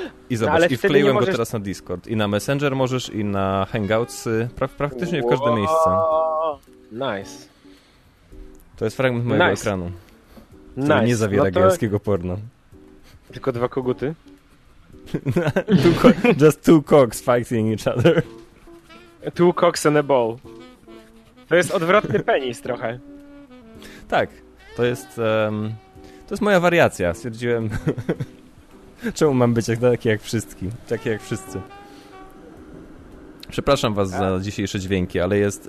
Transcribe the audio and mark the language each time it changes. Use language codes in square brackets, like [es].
[pl] I zobacz, no, i wkleiłem go teraz na Discord. I na Messenger możesz, i na Hangoutsy, praktycznie w każde miejsce. [en] Nice. [pl] To jest fragment mojego ekranu. [en] Nice. [pl] Nie zawiera gejowskiego porno. Tylko dwa koguty? [en] Just two cocks fighting each other. Two cocks and a ball. [pl] To jest odwrotny penis trochę. Tak. To jest... to jest moja wariacja. Stwierdziłem... Czemu mam być taki jak wszyscy? Przepraszam was za dzisiejsze dźwięki, ale jest...